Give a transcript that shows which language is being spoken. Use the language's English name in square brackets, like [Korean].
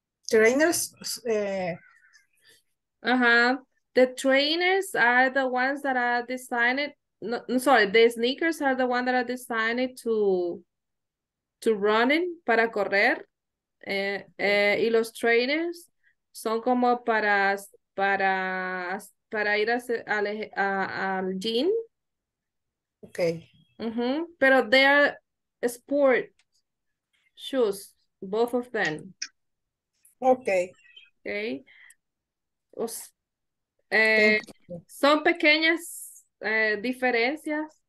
[English] Trainers, The trainers are the ones that are designed. No, sorry, the sneakers are the ones that are designed to run in, [Spanish] para correr. Y los trainers son como para ir al gym. [English] Okay. Pero they are sport shoes, both of them. Okay. [Spanish] Son pequeñas diferencias.